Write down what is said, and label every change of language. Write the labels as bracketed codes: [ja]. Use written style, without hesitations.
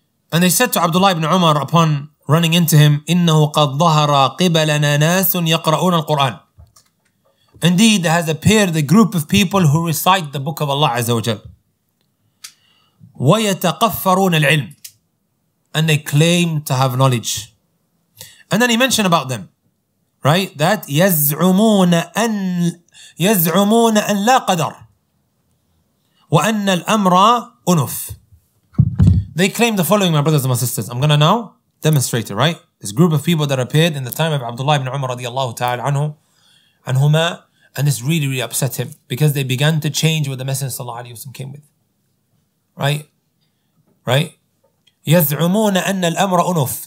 [en] And they said to Abdullah ibn Umar upon running into him, [ar] إِنَّهُ قَدْ ظَهَرَ قِبَلَنَا نَاسٌ يَقْرَؤُونَ الْقُرْآنِ. [en] Indeed, there has appeared a group of people who recite the book of Allah Azza wa Jal. [ar] وَيَتَقَفَّرُونَ الْعِلْمِ. [en] And they claim to have knowledge. And then he mentioned about them, right? That [ar] يَزْعُمُونَ أَنْ لَا قَدَرْ وَأَنَّ الْأَمْرَ أُنُفْ. [en] They claim the following, my brothers and my sisters. I'm going to now demonstrate it, right? This group of people that appeared in the time of Abdullah ibn Umar radiallahu ta'ala anhu, anhuma, and this really, really upset him because they began to change what the Messenger sallallahu alayhi wa sallam came with. Right? [ar] يَزْعُمُونَ أَنَّ الْأَمْرَ أُنُفْ.